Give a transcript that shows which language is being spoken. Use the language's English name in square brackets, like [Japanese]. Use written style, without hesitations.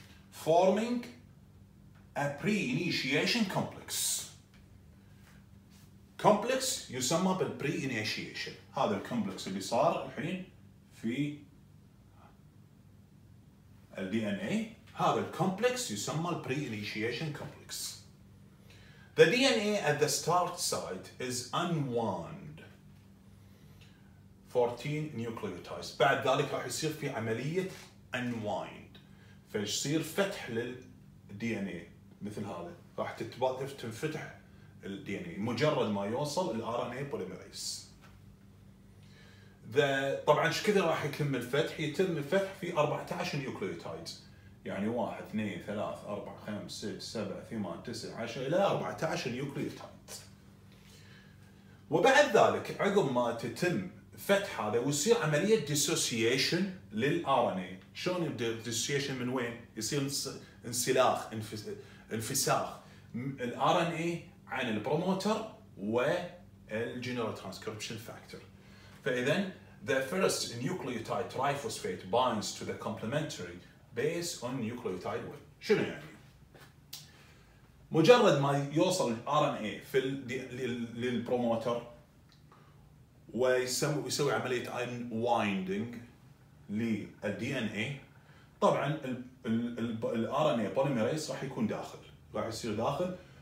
[English] Forming a pre-initiation complex. [Arabic] Complex يسمى بالpre-initiation. هذا الcomplex اللي صار الحين في الـ DNA. هذا الcomplex يسمى pre-initiation complex. [English] The DNA at the start site is unwound. 14 nucleotides. [Arabic] بعد ذلك راح يصير في عملية unwind. فيصير فتح للـ DNA مثل هذا. راح تنفتح الـ DNA مجرد ما يوصل الـ RNA polymerase. طبعا شكذا راح يكمل فتح؟ يتم الفتح في 14 nucleotides. يعني 1 2 3 4 5 6 7 8 9 10 الى 14 نيوكليوتايد. وبعد ذلك عقب ما تتم فتح هذا ويصير عمليه ديسوسيشن للار ان اي. شلون ديسوسيشن من وين؟ يصير انسلاخ انفساخ الار ان اي عن البروموتر والجنرال ترانسكريبشن فاكتور. [English] فاذا the first nucleotide triphosphate binds to the complementary based on nucleotide 1. [Arabic] شنو يعني؟ مجرد ما يوصل الار ان اي في للبروموتر ويسوي عمليه unwinding للدي ان اي طبعا الار ان اي بوليميريز راح يكون داخل راح يصير داخل.